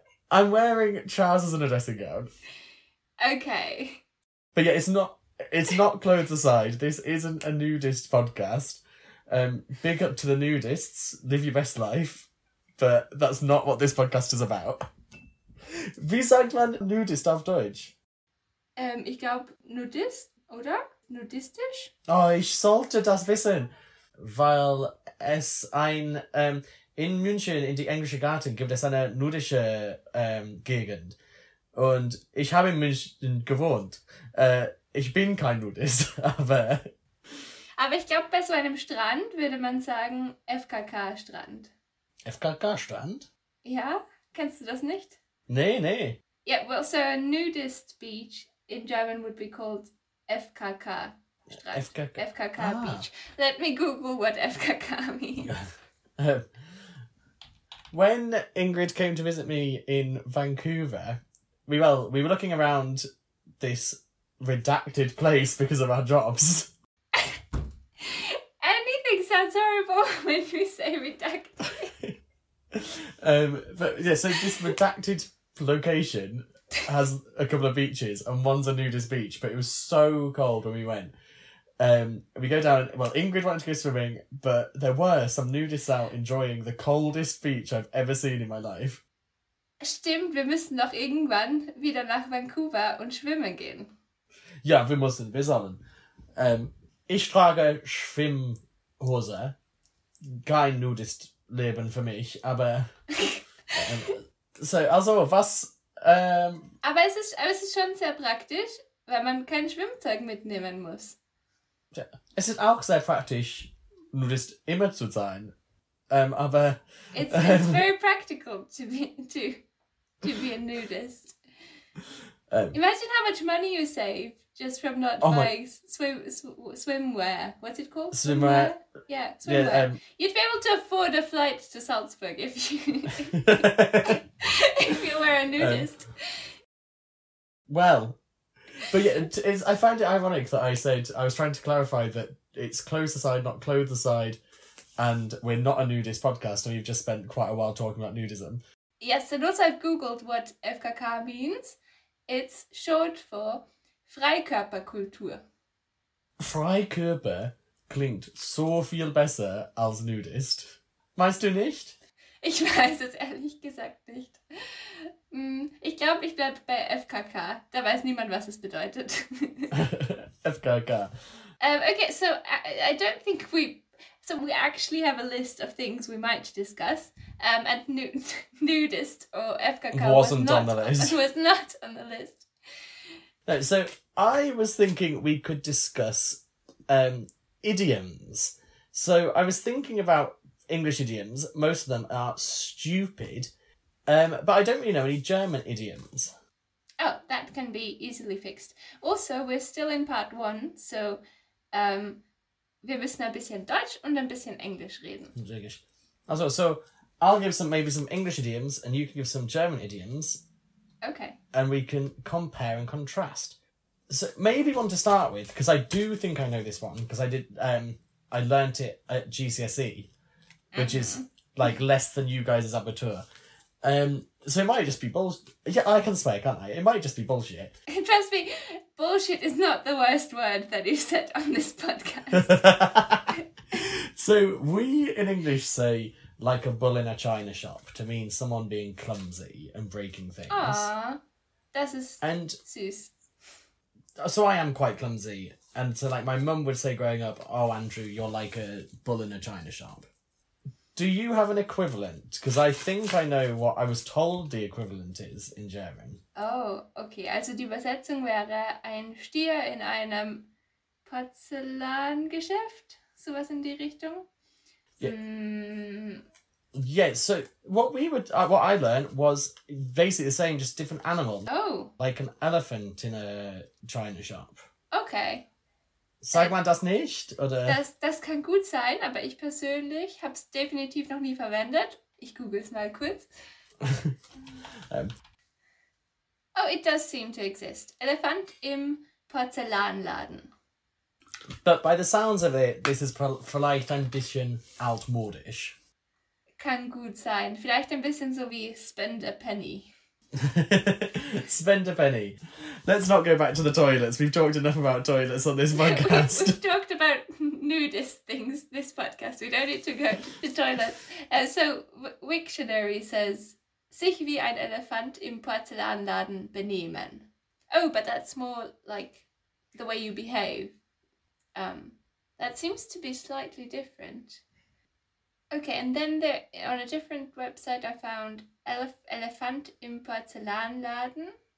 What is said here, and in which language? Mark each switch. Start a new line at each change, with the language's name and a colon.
English: I'm wearing trousers and a dressing gown. Okay. But yeah, it's not clothes aside. This isn't a nudist podcast. Big up to the nudists, live your best life, but that's not what this podcast is about.
German: Wie sagt man nudist auf Deutsch? Ich glaube nudist, oder? Nudistisch? Oh, ich sollte das wissen, weil es ein, in München, in die Englische Garten, gibt es eine nudische Gegend. Und ich habe in München gewohnt. Ich bin kein Nudist, aber... Aber ich glaube, bei so einem Strand würde man sagen FKK-Strand. FKK-Strand? Ja, kennst du das nicht? Nee.
English: Yeah, well, so a nudist beach in German would be called FKK-Strand. FKK-Beach. Let me Google what FKK means. When Ingrid came to visit me in Vancouver, we were looking around this redacted place because of our jobs. Sounds horrible when you say redacted. So this redacted location has a couple of beaches and one's a nudist beach, but it was so cold when we went. We go down, well, Ingrid wanted to go swimming, but there were some nudists out enjoying the coldest beach I've ever seen in my life.
German: Stimmt, wir müssen noch irgendwann wieder nach Vancouver und schwimmen gehen. Ja, wir sollen. Ich trage Schwimmhose, kein Nudist-Leben für mich, aber... Aber es ist schon sehr praktisch, weil man kein Schwimmzeug mitnehmen muss. Ja, es ist auch sehr praktisch, Nudist immer zu sein, aber...
English: It's very practical to be a nudist. Imagine how much money you save. Just from not buying swimwear. What's it called? Swimwear. Yeah, swimwear. Yeah, you'd be able to afford a flight to Salzburg if you if you were a nudist. I find it ironic that I said I was trying to clarify that it's clothes aside, not clothes aside, and we're not a nudist podcast, and we've just spent quite a while talking about nudism. Yes, and also I've Googled what FKK means. It's short for Freikörperkultur.
German: Freikörper klingt so viel besser als Nudist. Meinst du nicht? Ich weiß es ehrlich gesagt nicht. Ich glaube, ich bleibe bei FKK. Da weiß niemand, was es bedeutet. FKK.
English: I don't think we actually have a list of things we might discuss. And nudist or FKK was not on the list. No, so I was thinking we could discuss idioms. So I was thinking about English idioms. Most of them are stupid. But I don't really know any German idioms. Oh, that can be easily fixed. Also, we're still in part one, so
German: wir müssen ein bisschen Deutsch und ein bisschen Englisch reden.
English: Also, so I'll give some maybe some English idioms and you can give some German idioms. Okay. And we can compare and contrast. So maybe one to start with, because I do think I know this one, because I did I learnt it at GCSE, which is like less than you guys' abitur. So it might just be bullshit. Yeah, I can swear, can't I? It might just be bullshit. Trust me, bullshit is not the worst word that you've said on this podcast. So we in English say like a bull in a china shop to mean someone being clumsy and breaking things. Aww, that's Seuss. So I am quite clumsy. And so like my mum would say growing up, oh, Andrew, you're like a bull in a china shop. Do you have an equivalent? Because I think I know what I was told the equivalent is in German. Oh, okay.
German: Also die Übersetzung wäre ein Stier in einem Porzellangeschäft. Sowas in die Richtung.
English: Yeah. Yeah, so what I learned was basically the same, just different animal. Oh. Like an elephant in a china shop. Okay.
German: Sagt man das nicht? Oder? Das kann gut sein, aber ich persönlich habe es definitiv noch nie verwendet. Ich google es mal kurz.
English: Oh, it does seem to exist.
German: Elefant im Porzellanladen.
English: But by the sounds of it, this is
German: vielleicht ein bisschen altmodisch. Kann gut sein. Vielleicht ein bisschen so wie
English: spend a penny. Spend a penny. Let's not go back to the toilets. We've talked enough about toilets on this podcast. We've talked about nudist things this podcast. We don't need to go to the toilets. So Wiktionary says,
German: sich wie ein Elefant im Porzellanladen benehmen.
English: Oh, but that's more like the way you behave. That seems to be slightly different. Okay, and then there, on a different website I found Elefant im Porzellanladen.